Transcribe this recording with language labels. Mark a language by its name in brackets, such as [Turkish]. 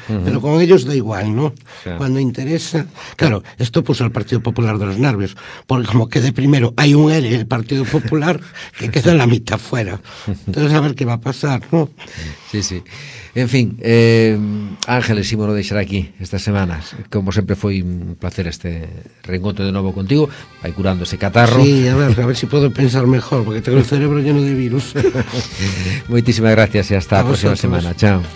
[Spanish] Pero con ellos da igual, ¿no? Cuando interesa... Claro, esto puso al Partido Popular de los nervios, porque como quede primero, hay un L en el Partido Popular que queda la mitad fuera. Entonces, a ver qué va a pasar, ¿no? Sí, sí. [Galician] En fin, Ángeles, ímolo deixar aquí estas semanas. Como sempre foi un placer este reencontro de novo contigo. Vai curando ese catarro. [Spanish] Sí, a ver si puedo pensar mejor, porque tengo el cerebro lleno de virus. [Galician] Moitísimas gracias e hasta a próxima semana. Chao.